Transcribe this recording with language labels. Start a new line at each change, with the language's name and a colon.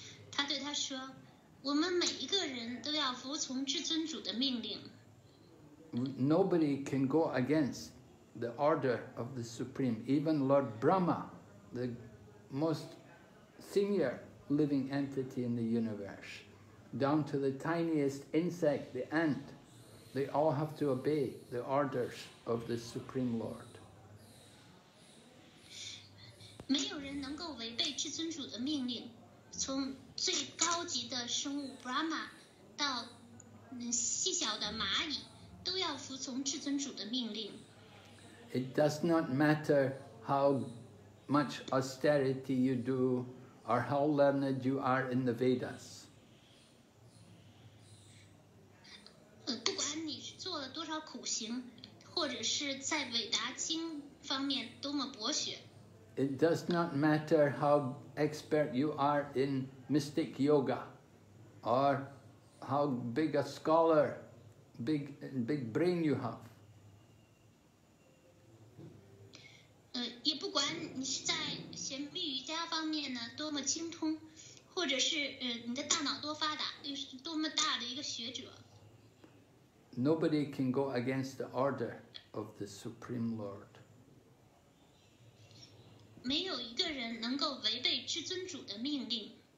Chinese: 他对他说，我们每一个人都要服从至尊主的命令。
English: Nobody can go against the order of the Supreme, even Lord Brahma, the most senior living entity in the universe. Down to the tiniest insect, the ant, they all have to obey the orders of the Supreme Lord.
Chinese: 没有人能够违背至尊主的命令，从最高级的生物 Brahma 到细小的蚂蚁都要服从至尊主的命令。
English: It does not matter how much austerity you do or how learned you are in the Vedas.
Chinese: 不管你做了多少苦行，或者是在伟达经方面多么博学
English: ，It does not matter how expert you are in mystic yoga, or how big a scholar, big brain you have.
Chinese: 也不管你是在神秘瑜伽方面呢多么精通，或者是你的大脑多发达，又是多么大的一个学者。
English: Nobody can go against the order of the Supreme Lord.
Chinese: 没有一个人能够违背至尊主的命令。